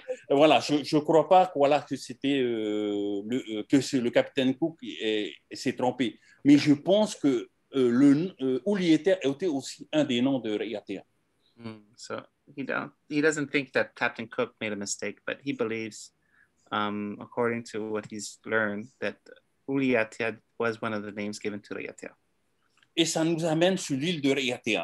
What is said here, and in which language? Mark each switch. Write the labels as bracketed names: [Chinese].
[French] Voilà, je crois pas voilà, que c'était le capitaine Cook s'est trompé, mais je pense que Raʻiātea était aussi un des noms de Raʻiātea. [English] Mm, so he doesn't think that Captain Cook made a mistake, but he believes, according to what he's learned, that Raʻiātea was one of the names given to Raʻiātea. [French] Et ça nous amène sur l'île de Raʻiātea.